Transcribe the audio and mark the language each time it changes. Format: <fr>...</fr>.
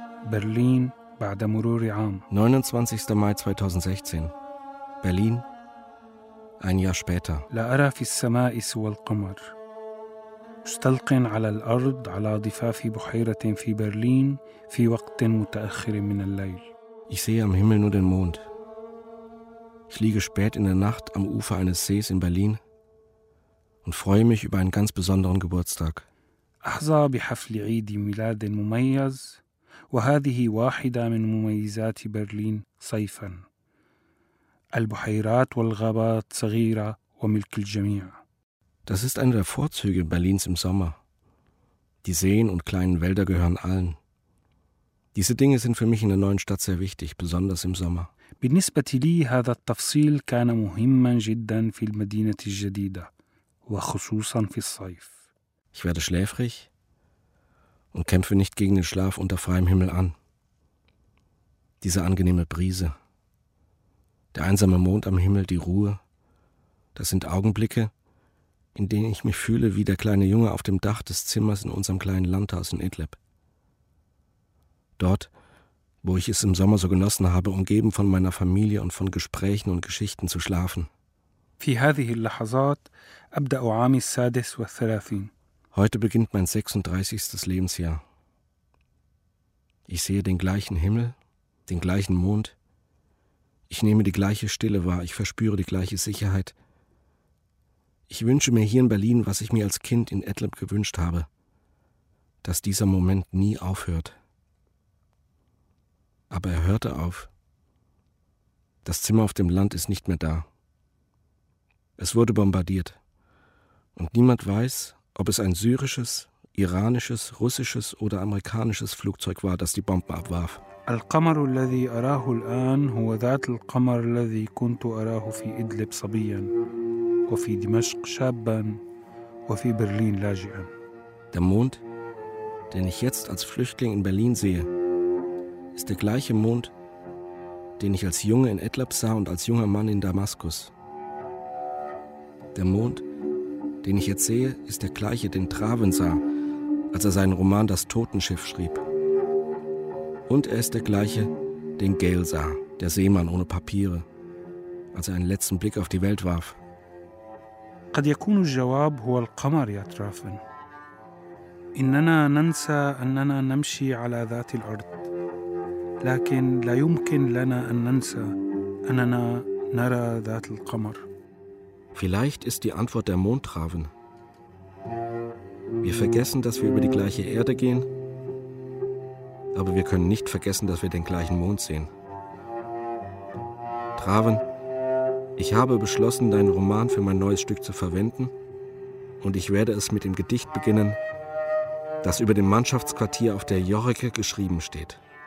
<ar>Berlin, بعد مرور عام.</ar> <de>29. Mai 2016. Berlin, ein Jahr später.</de> <ar>لا أرى في السماء سوى القمر. مستلق على الأرض على ضفاف بحيرة في برلين في وقت متأخر من الليل.</ar> <de>Ich sehe am Himmel nur den Mond. Ich liege spät in der Nacht am Ufer eines Sees in Berlin und freue mich über einen ganz besonderen Geburtstag.</de> <ar>أحظى بحفل عيد ميلاد مميز وهذه واحدة من مميزات برلين صيفا البحيرات والغابات صغيرة وملك الجميع.</ar> <de>Das ist einer der Vorzüge Berlins im Sommer. Die Seen und kleinen Wälder gehören allen. Diese Dinge sind für mich in der neuen Stadt sehr wichtig, besonders im Sommer.</de> <ar>بالنسبة لي هذا التفصيل كان مهما جدا في المدينة الجديدة وخصوصا في الصيف.</ar> <de>Ich werde schläfrig und kämpfe nicht gegen den Schlaf unter freiem Himmel an. Diese angenehme Brise, der einsame Mond am Himmel, die Ruhe, das sind Augenblicke, in denen ich mich fühle wie der kleine Junge auf dem Dach des Zimmers in unserem kleinen Landhaus in Idlib. Dort, wo ich es im Sommer so genossen habe, umgeben von meiner Familie und von Gesprächen und Geschichten zu schlafen.</de> <ar>في هذه اللحظات أبدأ عامي السادس والثلاثين.</ar> <de>Heute beginnt mein 36. Lebensjahr. Ich sehe den gleichen Himmel, den gleichen Mond. Ich nehme die gleiche Stille wahr, ich verspüre die gleiche Sicherheit. Ich wünsche mir hier in Berlin, was ich mir als Kind in Idlib gewünscht habe, dass dieser Moment nie aufhört. Aber er hörte auf. Das Zimmer auf dem Land ist nicht mehr da. Es wurde bombardiert. Und niemand weiß, ob es ein syrisches, iranisches, russisches oder amerikanisches Flugzeug war, das die Bomben abwarf.</de> <ar>القمر الذي أراه الآن هو ذات القمر الذي كنت أراه في إدلب صبيا وفي دمشق شابا وفي برلين لاجئا.</ar> <de>Der Mond, den ich jetzt als Flüchtling in Berlin sehe, ist der gleiche Mond, den ich als Junge in Etlab sah und als junger Mann in Damaskus. Der Mond, den ich jetzt sehe, ist der gleiche, den Traven sah, als er seinen Roman Das Totenschiff schrieb. Und er ist der gleiche, den Gail sah, der Seemann ohne Papiere, als er einen letzten Blick auf die Welt warf.</de> <ar>قد يكون الجواب هو القمر يا ترافن. إننا ننسى أننا نمشي على ذات الأرض، لكن لا يمكن لنا أن ننسى أننا نرى ذات القمر.</ar> <de>Vielleicht ist die Antwort der Mond, Traven. Wir vergessen, dass wir über die gleiche Erde gehen, aber wir können nicht vergessen, dass wir den gleichen Mond sehen. Traven, ich habe beschlossen, deinen Roman für mein neues Stück zu verwenden und ich werde es mit dem Gedicht beginnen, das über dem Mannschaftsquartier auf der Jorke geschrieben steht.</de>